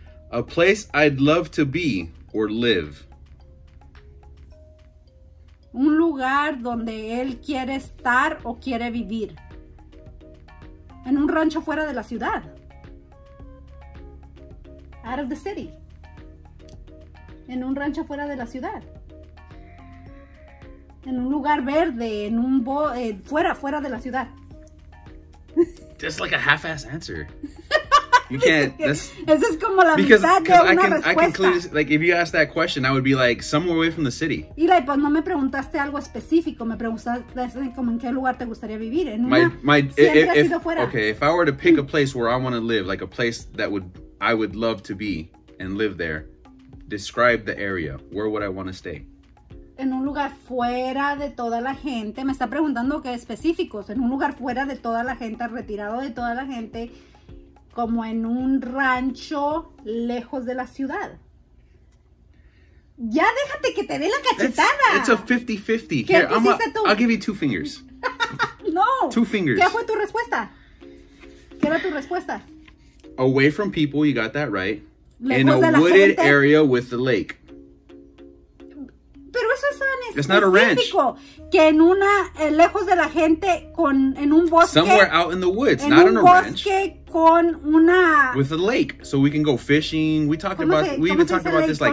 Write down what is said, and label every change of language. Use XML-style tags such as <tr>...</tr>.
<en>A place I'd love to be or live.</en> <es>Un lugar donde él quiere estar o quiere vivir. En un rancho fuera de la ciudad.</es> <en>Out of the city.</en> <es>En un rancho fuera de la ciudad. En un lugar verde, en un fuera de la ciudad.</es> <en>That's like a half-ass answer. You can't.</en> <es>Eso es como la mitad de una respuesta.</es> <en>I can clear this, like, if you ask that question, I would be like, somewhere away from the city.</en> <es>Y like, pues no me preguntaste algo específico. Me preguntaste como en qué lugar te gustaría vivir. En</es> <en>if I were to pick a place where I want to live, like a place that would I would love to be and live there, describe the area. Where would I want to stay?</en> <es>En un lugar fuera de toda la gente. Me está preguntando qué específicos. En un lugar fuera de toda la gente, retirado de toda la gente. Como en un rancho lejos de la ciudad. Ya déjate que te dé la cachetada.</es> <en>It's a 50-50. ¿Qué</en> <es>hiciste tú?</es> <en>I'll give you two fingers.</en> <es>No.</es> <en>Two fingers.</en> <es>¿Qué fue tu respuesta? ¿Qué era tu respuesta?</es> <en>Away from people, you got that right.</en> <es>Lejos de la gente.</es> <en>In a wooded area with the lake.</en> <es>Pero eso es tan específico.</es> <en>It's not a ranch.</en> <es>Que en una, lejos de la gente, en un bosque.</es> <en>Somewhere out in the woods, not in a ranch.</en> <es>Con una</es> <en>with a lake, so we can go fishing. We talked about this like</en>